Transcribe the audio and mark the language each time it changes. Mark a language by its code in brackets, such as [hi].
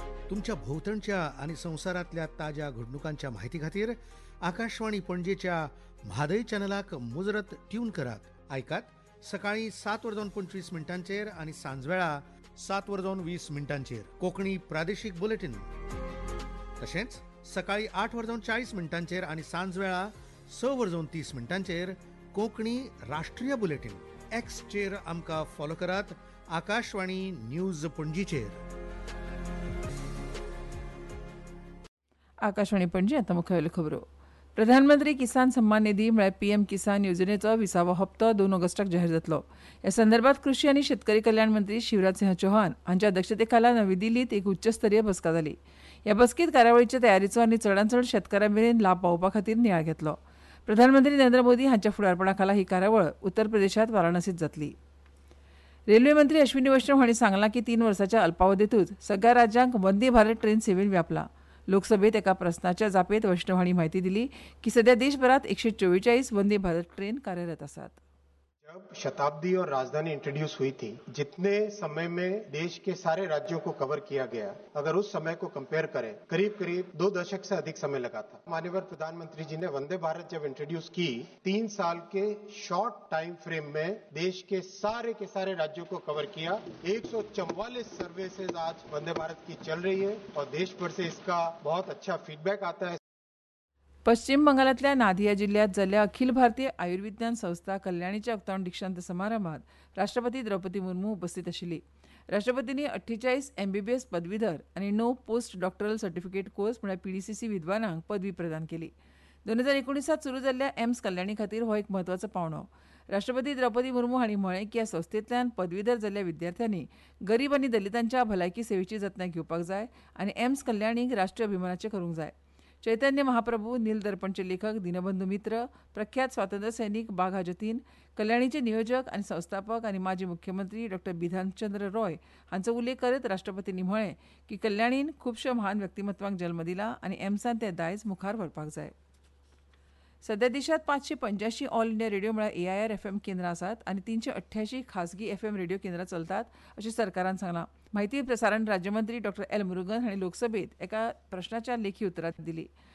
[kok] तुमच्या भोवतणच्या आनी संवसारातल्या ताज्या घडणुकांच्या माहिती खातीर आकाशवाणी पणजेच्या म्हादय चॅनलाक मुजरत ट्यून करात. आयकात सकाळी 7:25 आनी सांजवेळा 7:20 कोंकणी प्रादेशीक बुलेटिन. तशेंच सकाळी 8:40 आणि सांजवेळा 6:30 कोकणी राष्ट्रीय बुलेटिन एक्सचेर आमका फॉलो करात आकाशवाणी न्यूज पणजीचेर. आकाशवाणी पणजी आता मुखेल खबरो. प्रधानमंत्री किसान सन्मान निधी म्हळ्यार पीएम किसान येवजणेचो 20वो हप्तो 2 ऑगस्टाक जाहीर जातलो. ह्या संदर्भात कृशी आनी शेतकरी कल्याण मंत्री शिवराज सिंह चौहान हांच्या अध्यक्षते खाला नवी दिल्लीत एक उच्चस्तरीय बसका जाली. ह्या बसकेंत कार्यावळीच्या तयारीचो आनी चडांत चड शेतकऱ्यां मेरेन लाभ पावोवपा खातीर नियाळ घेतलो. प्रधानमंत्री नरेंद्र मोदी हांच्या फुडारपणा खाला ही कार्यावळ उत्तर प्रदेशांत वाराणसींत जातली. रेल्वे मंत्री अश्विनी वैष्णव हांणी सांगलां की 3 वर्सांच्या अल्पावधीतूच सगळ्या राज्यांक वंदे भारत ट्रेन सेवेन व्यापलां. लोकसभेत एका प्रस्नाच्या जापेत वैष्णव हांणी माहिती दिली की सध्या देशभरात 144 वंदे भारत ट्रेन कार्यरत आसात. [hi] शताब्दी और राजधानी इंट्रोड्यूस हुई थी, जितने समय में देश के सारे राज्यों को कवर किया गया, अगर उस समय को कंपेयर करें, करीब करीब 2 दशक से अधिक समय लगा था. माननीय प्रधानमंत्री जी ने वंदे भारत जब इंट्रोड्यूस की, 3 साल के शॉर्ट टाइम फ्रेम में देश के सारे राज्यों को कवर किया. 144 सर्विसेज आज वंदे भारत की चल रही है और देश भर से इसका बहुत अच्छा फीडबैक आता है. [kok] पश्चिम बंगालातल्या नादिया जिल्ह्यात झालेल्या अखिल भारतीय आयुर्विज्ञान संस्था कल्याणीच्या उक्तावण दीक्षांत समारंभात राष्ट्रपती द्रौपदी मुर्मू उपस्थित आशिल्ली. राष्ट्रपतींनी 48 MBBS पदवीधर आणि 9 पोस्ट डॉक्टरल सर्टिफिकेट कोर्स म्हणजे PDCC विद्वानांक पदवी प्रदान केली. 2019 सुरू झालेल्या एम्स कल्याणी खातीर हो एक महत्वाचो पावणो. राष्ट्रपती द्रौपदी मुर्मू हांणी म्हळें की ह्या संस्थेंतल्यान पदवीधर झाल्ल्या विद्यार्थ्यांनी गरीब आनी दलितांच्या भलायकी सेवेची जतनाय घेवपाक जाय आनी एम्स कल्याणीक राष्ट्रीय अभिमानाचे करूंक जाय. चैतन्य महाप्रभू, नीलदर्पणचे लेखक दिनबंधू मित्र, प्रख्यात स्वातंत्र्य सैनिक बाघा जतीन, कल्याणीचे नियोजक आणि संस्थापक आणि माजी मुख्यमंत्री डॉ बिधानचंद्र रॉय हांचो उल्लेख करत राष्ट्रपतींनी म्हळें की कल्याणीन खुबशा महान व्यक्तिमत्वांक जल्म दिला आणि एम्सान ते दायज मुखार व्हरपाक जाय. सध्या देशात 585 ऑल इंडिया रेडिओ म्हळ्यार AIR FM केंद्रां आसात आनी 388 खासगी FM रेडिओ केंद्रां चलतात अशें सरकारान सांगलां. म्हायती प्रसारण राज्यमंत्री डॉ एल मुरुगन हांणी लोकसभेत एका प्रश्नाच्या लेखी उतरांत दिली.